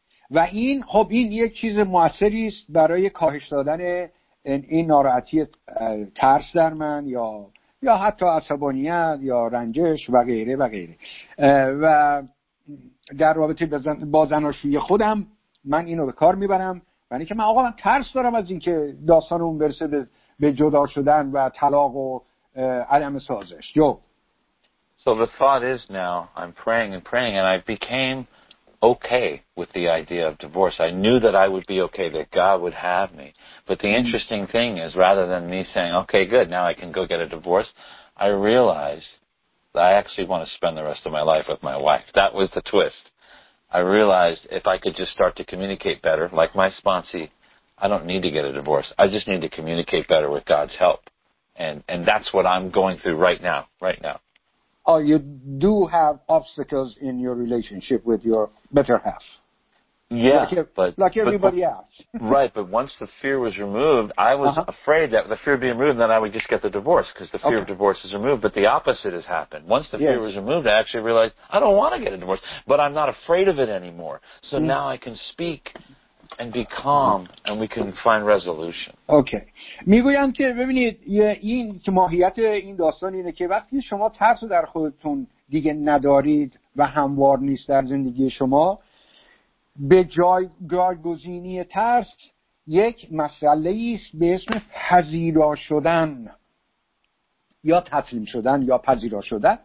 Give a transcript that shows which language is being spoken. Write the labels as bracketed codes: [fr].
[fa] و این خب این یک چیز موثری است برای کاهش دادن این ناراحتی ترس در من، یا حتی عصبانیت یا رنجش و غیره و غیره. و در رابطه با زناشویی خودم من اینو به کار میبرم، یعنی که من آقا من ترس دارم از اینکه داستان اون برسه به جدا شدن و طلاق و عدم سازش. جو. [en] So the thought is now I'm praying and praying and I became okay with the idea of divorce. I knew that I would be okay, that God would have me. But the interesting thing is, rather than me saying, okay, good, now I can go get a divorce, I realized that I actually want to spend the rest of my life with my wife. That was the twist. I realized if I could just start to communicate better, like my sponsee, I don't need to get a divorce. I just need to communicate better with God's help. And that's what I'm going through right now. Oh, you do have obstacles in your relationship with your better half. Yeah, like everybody else. Right, but once the fear was removed, I was afraid that the fear being removed, then I would just get the divorce, because the fear of divorce is removed. But the opposite has happened. Once the fear was removed, I actually realized, I don't want to get a divorce, but I'm not afraid of it anymore. So now I can speak and be calm and we can find resolution. Okay. [fa] میگویم که ببینید این که ماهیت این داستان اینه که وقتی شما ترس در خودتون دیگه ندارید و هموار نیست در زندگی شما به جای جایگزینی ترس یک مسئله است به اسم پذیرا شدن یا تسلیم شدن یا پذیرا شدن.